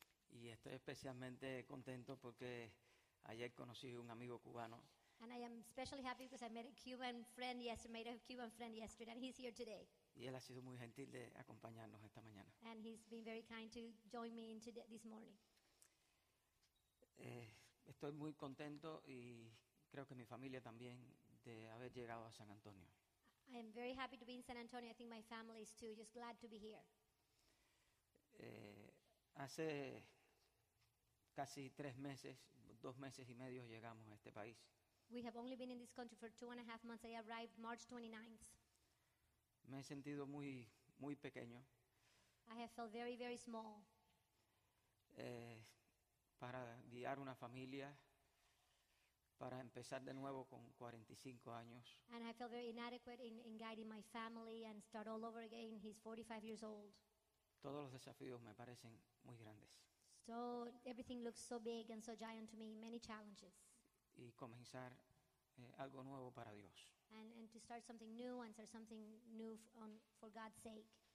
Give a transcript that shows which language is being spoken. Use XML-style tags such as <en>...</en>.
<es>Y estoy especialmente contento porque ayer conocí un amigo cubano.</es> <en>And I am especially happy because I met a Cuban friend yesterday, and he's here today.</en> <es>Y él ha sido muy gentil de acompañarnos esta mañana.</es> <en>And he's been very kind to join me in this morning.</en> <es>Estoy muy contento y creo que mi familia también de haber llegado a San Antonio.</es> <en>I am very happy to be in San Antonio. I think my family is too, just glad to be here.</en> <es>Hace casi dos meses y medio llegamos a este país.</es> <en>We have only been in this country for 2.5 months. I arrived March 29th.</en> <es>Me he sentido muy, muy pequeño.</es> <en>I have felt very, very small.</en> <es>Para guiar una familia, para empezar de nuevo con 45 años.</es> <en>And I felt very inadequate in guiding my family and start all over again. He's 45 years old.</en> <es>Todos los desafíos me parecen muy grandes.</es> <en>So everything looks so big and so giant to me, many challenges.</en> <es>Y comenzar algo nuevo para Dios.</es> <en>And to start something new and start something new for God's sake.</en>